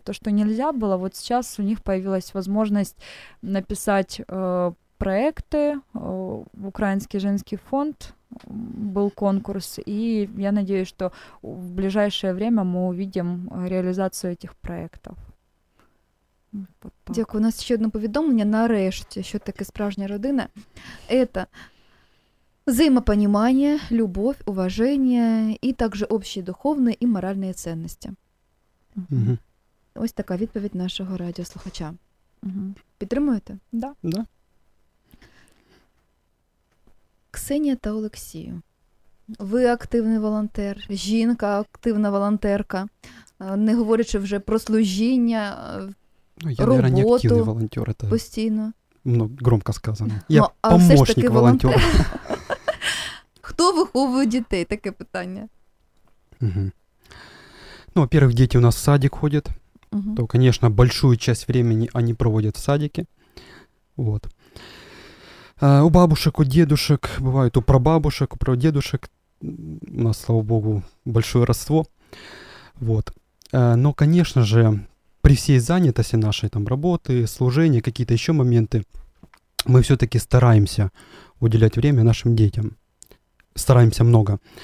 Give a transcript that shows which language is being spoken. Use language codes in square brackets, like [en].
[ru] То, что нельзя было, вот сейчас у них появилась возможность написать проекты в Украинский женский фонд, был конкурс, и я надеюсь, что в ближайшее время мы увидим реализацию этих проектов. Вот так. Дякую. [uk] У нас [ru] еще одно [uk] повідомлення. Нарешті, що таке справжня родина? [ru] Это взаимопонимание, любовь, уважение и также общие духовные и моральные ценности. Угу. [uk] Ось така відповідь нашого радіослухача. Угу. Підтримуєте? [ru] Да. Да. [uk] Ксенія та Олексію, ви активний волонтер, жінка активна волонтерка, не говорячи вже про служіння, я, роботу. [ru] Я, наверное, [uk] активний волонтер, [ru] это [uk] постійно. [ru] Ну, громко сказано. Я помощник волонтера. [uk] Хто виховує дітей? Таке питання. Угу. [ru] Ну, во-первых, [uk] діти у нас в садик ходять, угу. [ru] То, конечно, большую часть времени они проводят в садике. Вот. У бабушек, у дедушек, бывают у прабабушек, у прадедушек, у нас, слава богу, большое родство, вот. Но, конечно же, при всей занятости нашей, там, работы, служения, какие-то еще моменты, мы все-таки стараемся уделять время нашим детям, стараемся много.